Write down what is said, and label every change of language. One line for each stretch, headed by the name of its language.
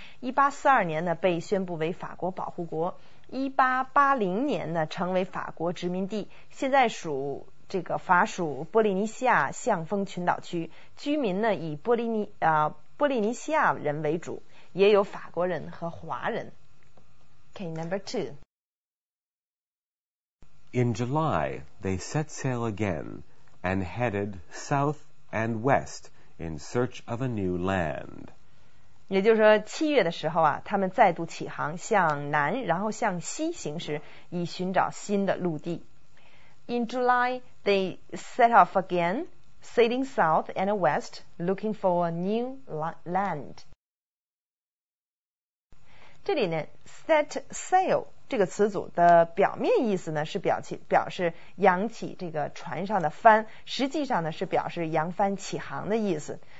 Chinese: 1842年呢被宣布为法国保护国，1880年呢成为法国殖民地，现在属这个法属波利尼西亚象峰群岛区，居民呢以波利尼西亚人为主，也有法国人和华人。
English: Okay, number two. In July, they set sail again and headed south and west in search of a new land.
Chinese: 也就是说，七月的时候啊，他们再度起航，向南，然后向西行驶，以寻找新的陆地。
English: In July, they set off again, sailing south and west, looking for a new land.
Chinese: 这里呢 ,set sail. 这个词组的表面意思呢是表示扬起这个船上的帆，实际上呢是表示扬帆起航的意思。